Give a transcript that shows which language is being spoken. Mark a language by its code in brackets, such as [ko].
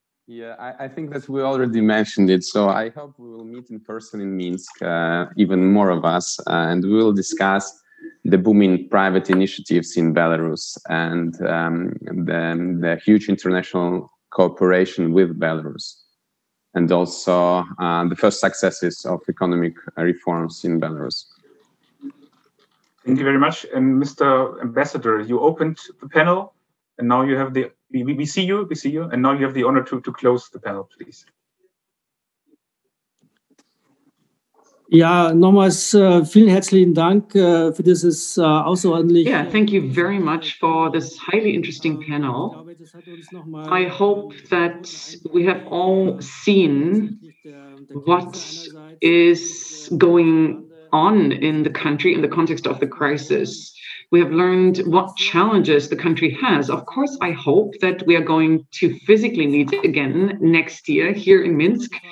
[en] Yeah, I think that we already mentioned it. So I hope we will meet in person in Minsk, even more of us, and we will discuss the booming private initiatives in Belarus and the huge international cooperation with Belarus, and also the first successes of economic reforms in Belarus. Thank you very much. And Mr. Ambassador, you opened the panel, and now you have the we see you, and now you have the honor to close the panel, please. [de] Ja, nochmals vielen herzlichen Dank für dieses außerordentliche. [en] Yeah, thank you very much for this highly interesting panel. I hope that we have all seen what is going on in the country in the context of the crisis. We have learned what challenges the country has. Of course, I hope that we are going to physically meet again next year here in Minsk.